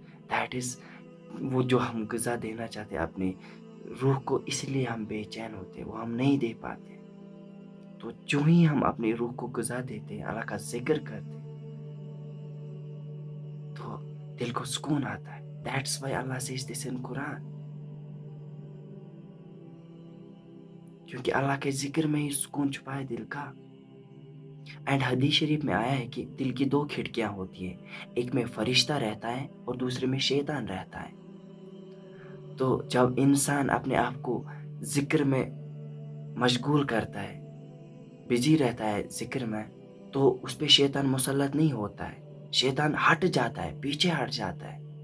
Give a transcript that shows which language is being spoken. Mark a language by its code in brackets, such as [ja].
[en] that is [ur] وہ جو ہم غذا دینا چاہتے ہیں اپنی روح کو, اس لیے ہم بے چین ہوتے, وہ ہم نہیں دے پاتے. تو جو ہی ہم اپنی روح کو غذا دیتے, اللہ کا ذکر کرتے, تو دل کو سکون آتا ہے. [en] That's why Allah says this in Quran. [ur] کیونکہ اللہ کے ذکر میں ہی سکون چھپا ہے دل کا. اینڈ حدیث شریف میں آیا ہے کہ دل کی دو کھڑکیاں ہوتی ہیں, ایک میں فرشتہ رہتا ہے اور دوسرے میں شیطان رہتا ہے. تو جب انسان اپنے آپ کو ذکر میں مشغول کرتا ہے, بزی رہتا ہے ذکر میں, تو اس پہ شیطان مسلط نہیں ہوتا ہے, شیطان ہٹ جاتا ہے, پیچھے ہٹ جاتا ہے.